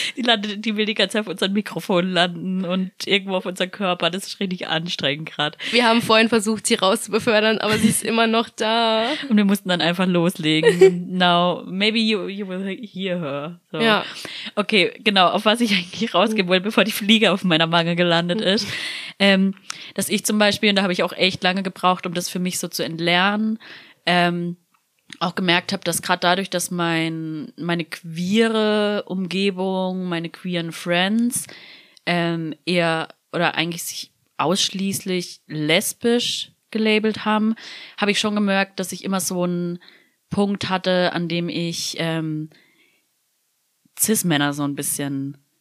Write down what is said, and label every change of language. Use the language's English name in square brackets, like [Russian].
[German] Die will die ganze Zeit auf unseren Mikrofon landen und irgendwo auf unseren Körper. Das ist richtig anstrengend gerade. Wir haben vorhin versucht, sie rauszubefördern, aber sie ist immer noch da. Und wir mussten dann einfach loslegen. [English] Now, maybe you will hear her. [German] So. Ja. Okay, genau, auf was ich eigentlich rausgehen wollte, bevor die Fliege auf meiner Wange gelandet ist. Dass ich zum Beispiel, und da habe ich auch echt lange gebraucht, um das für mich so zu entlernen, auch gemerkt habe, dass gerade dadurch, dass meine queere Umgebung, meine queeren Friends eher oder eigentlich sich ausschließlich lesbisch gelabelt haben, habe ich schon gemerkt, dass ich immer so einen Punkt hatte, an dem ich Cis-Männer so ein bisschen